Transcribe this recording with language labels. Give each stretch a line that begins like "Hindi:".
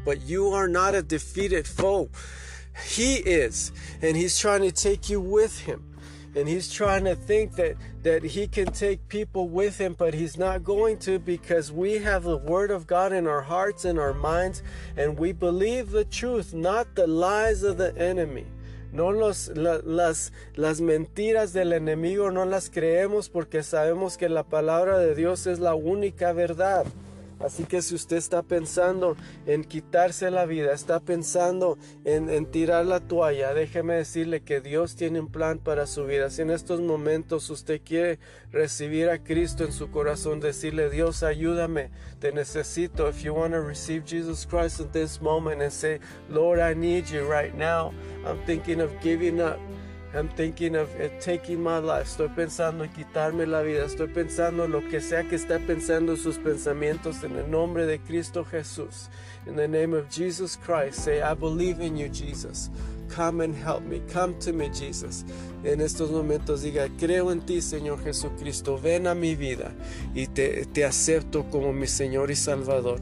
English: But you are not a defeated foe. He is, and he's trying to take you with him, and he's trying to think that he can take people with him, but he's not going to, because we have the word of God in our hearts and our minds, and we believe the truth, not the lies of the enemy.
Spanish: No las mentiras del enemigo no las creemos, porque sabemos que la palabra de Dios es la única verdad. Así que si usted está pensando en quitarse la vida, está pensando en tirar la toalla, déjeme decirle que Dios tiene un plan para su vida. Si en estos momentos usted quiere recibir a Cristo en su corazón, decirle, Dios, ayúdame, te necesito.
English: If you want to receive Jesus Christ at this moment and say, Lord, I need you right now. I'm thinking of giving up. I'm thinking of taking my life.
Spanish: Estoy pensando en quitarme la vida. Estoy pensando lo que sea que está pensando sus pensamientos, en el nombre de Cristo Jesús.
English: In the name of Jesus Christ, say, I believe in you, Jesus. Come and help me. Come to me, Jesus.
Spanish: En estos momentos diga, creo en ti, Señor Jesucristo. Ven a mi vida y te acepto como mi Señor y Salvador.